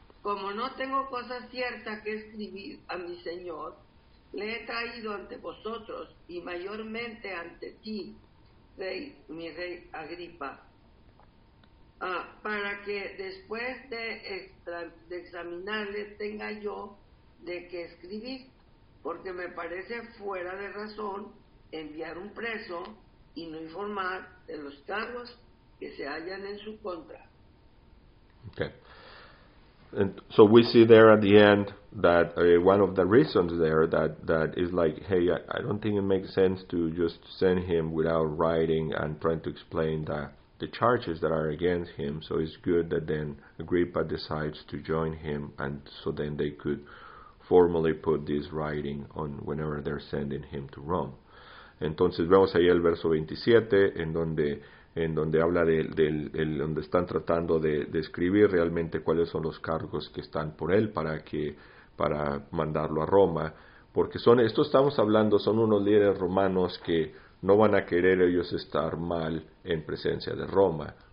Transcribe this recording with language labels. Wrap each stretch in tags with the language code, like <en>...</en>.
<es>Como no tengo cosa cierta que escribir a mi Señor, le he traído ante vosotros y mayormente ante ti, Rey, mi Rey Agripa, para que después de examinarle tenga yo de qué escribir, porque me parece fuera de razón enviar un preso y no informar de los cargos que se hallan en su contra. Okay.</es> <en>And so we see there at the end that one of the reasons there that is like, hey, I don't think it makes sense to just send him without writing and trying to explain the charges that are against him. So it's good that then Agrippa decides to join him, and so then they could formally put this writing on whenever they're sending him to Rome.</en> <es>Entonces vemos ahí el verso 27 en donde habla del donde están tratando de escribir realmente cuáles son los cargos que están por él para mandarlo a Roma, porque son unos líderes romanos que no van a querer ellos estar mal en presencia de Roma.</es>